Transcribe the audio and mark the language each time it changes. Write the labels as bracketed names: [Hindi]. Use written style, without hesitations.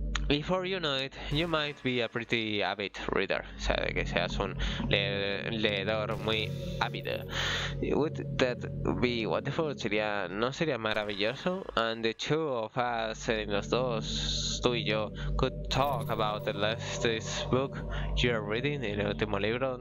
[English] Before you know it, you might be a pretty avid reader. [Spanish] O sea, de que seas un leedor muy ávido. Would that be wonderful? [English] ¿Sería, no sería maravilloso? [Spanish] And the two of us, [English] los dos, tú y yo, [Spanish] could talk about the last book you're reading, [English] el último libro.